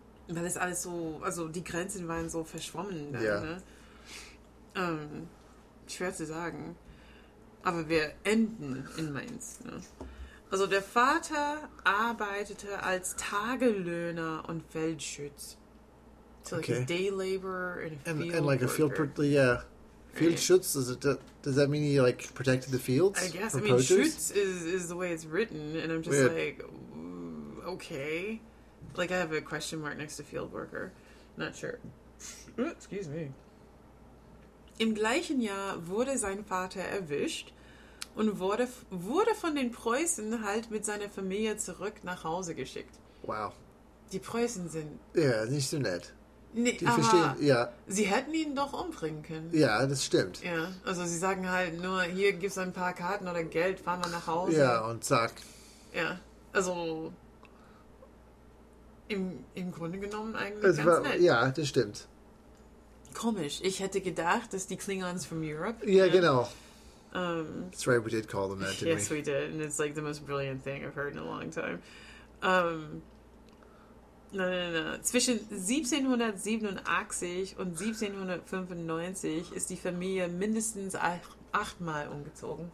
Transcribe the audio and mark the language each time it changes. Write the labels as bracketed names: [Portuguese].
[German] Weil es alles so, also die Grenzen waren so verschwommen. Dann, ja. Ne? Schwer zu sagen. Aber wir enden in Mainz. Ne? Also der Vater arbeitete als Tagelöhner und Feldschütz. [English] So like a day laborer in a field. And like worker. A field worker, yeah. Fieldschutz, does that mean he, like, protected the fields? I guess. I mean, produce? Schutz is the way it's written, and I'm just like, okay. Like, I have a question mark next to field worker. Not sure. Excuse me. [German] Im gleichen Jahr wurde sein Vater erwischt und wurde von den Preußen halt mit seiner Familie zurück nach Hause geschickt. Wow. die Preußen sind... Ja, nicht so nett. Nee, die aber verstehen, ja. Sie hätten ihn doch umbringen können. Ja, das stimmt. Ja, also sie sagen halt nur, hier gibt's ein paar Karten oder Geld, fahren wir nach Hause. Ja, und zack. Ja, also im Grunde genommen eigentlich es ganz war, nett. Ja, das stimmt. Komisch, ich hätte gedacht, dass die Klingons [English] from Europe... [German] Ja, ja. Genau. [English] That's right, we did call them that, didn't we? Yes, we did, and it's like the most brilliant thing I've heard in a long time. [German] Zwischen 1787 und 1795 ist die Familie mindestens 8-mal umgezogen.